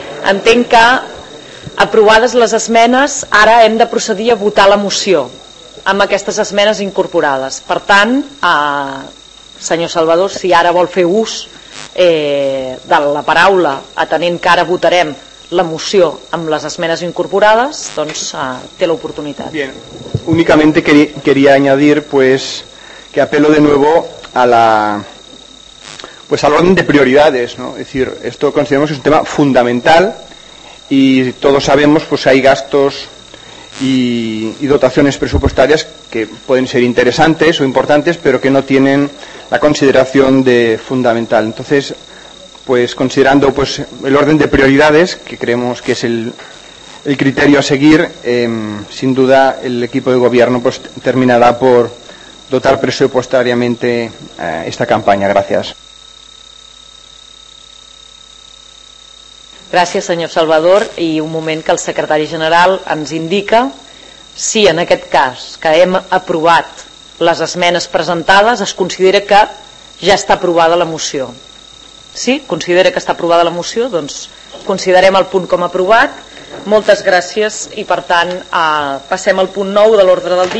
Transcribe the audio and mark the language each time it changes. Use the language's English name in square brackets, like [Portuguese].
[Catalan] Entenc que, aprovades les esmenes, ara hem de procedir a votar la moció amb aquestes esmenes incorporades. Per tant, senyor Salvador, si ara vol fer ús de la paraula, atenent que ara votarem la moció amb les esmenes incorporades, doncs té l'oportunitat. [Spanish] Bien, únicamente quería añadir pues que apelo de nuevo a la pues al orden de prioridades, ¿no? Es decir, esto consideramos que es un tema fundamental y todos sabemos pues hay gastos y dotaciones presupuestarias que pueden ser interesantes o importantes, pero que no tienen la consideración de fundamental. Entonces, pues considerando pues el orden de prioridades, que creemos que es el criterio a seguir, sin duda el equipo de gobierno pues terminará por dotar presupuestariamente esta campaña. Gracias. [Catalan] Gràcies, senyor Salvador, i un moment que el secretari general ens indica si en aquest cas que hem aprovat les esmenes presentades es considera que ja està aprovada la moció. Sí, considera que està aprovada la moció, doncs considerem el punt com aprovat. Moltes gràcies i per tant passem al punt 9 de l'ordre del dia.